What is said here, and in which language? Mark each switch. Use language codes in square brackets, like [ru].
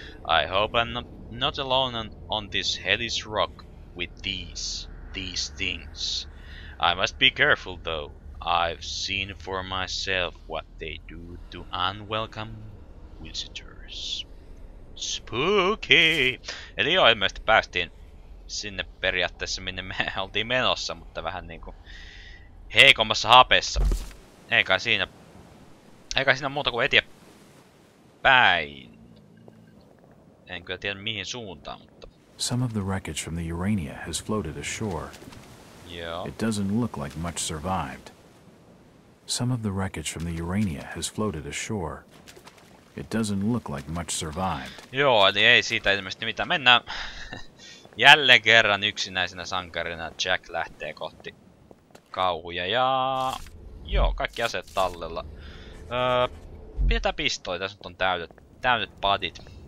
[en] I hope I'm not alone on this hellish rock with these things. I must be careful though. I've seen for myself what they do to unwelcome visitors. Spooky! [fi] Eli joo, ilmeisesti päästiin sinne periaatteessa minne me oltiin menossa, mutta vähän niinku heikommassa hapessa. Eikä siinä muuta kuin eteenpäin. En kyllä tiedä mihin suuntaan, mutta [en] some of the wreckage from the Urania has floated ashore. [fi] Joo. [en] It doesn't look like much survived. Some of the wreckage from the Urania has floated ashore. It doesn't look like much survived. [fi] Joo, eli ei siitä ilmeisesti mitään. Mennään jälleen kerran yksinäisenä sankarina. Jack lähtee kohti kauhuja ja joo, kaikki aseet tallella. Pidetään pistoli, tässä on täydet padit.